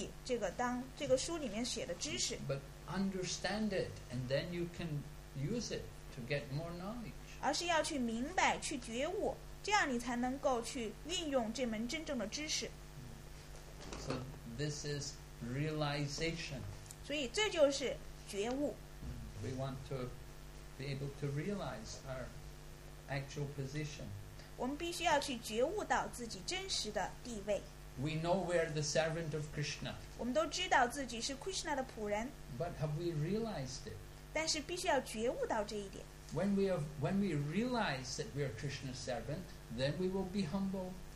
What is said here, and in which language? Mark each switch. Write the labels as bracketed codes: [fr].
[zh] 我们不是说只仅仅是记忆这个书里面写的知识。 [en] But understand it, and then you can use it to get more knowledge. [zh] 而是要去明白，去觉悟，这样你才能够去运用这门真正的知识。 [en] So this is realization. [zh] 所以这就是觉悟。 [en] We want to be able to realize our actual position. [zh] 我们必须要去觉悟到自己真实的地位。 [en] We know we are the servant of Krishna. [zh] 我们都知道自己是 Krishna 的仆人。 [en] But have we realized it? [zh] 但是必须要觉悟到这一点。 [en] When we realize that we are Krishna's servant, then we will be humble.